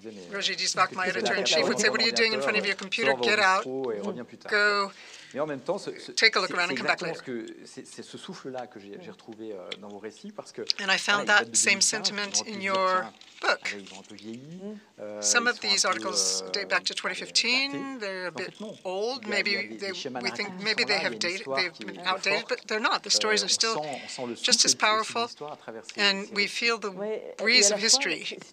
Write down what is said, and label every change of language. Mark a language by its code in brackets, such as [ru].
[en] Roger Disbach, my editor-in-chief, would say, what are you doing in front of your computer? Get out, go. [fr] Mais en même temps, [en] take a look around and come back later. [fr] C'est ce souffle-là que j'ai retrouvé dans vos récits parce que. [en] And I found that same sentiment in your book. Some of these articles date back to 2015. They're a bit old. Maybe we think maybe they have dated, they've been outdated, but they're not. The stories are still just as powerful, and we feel the breeze of history.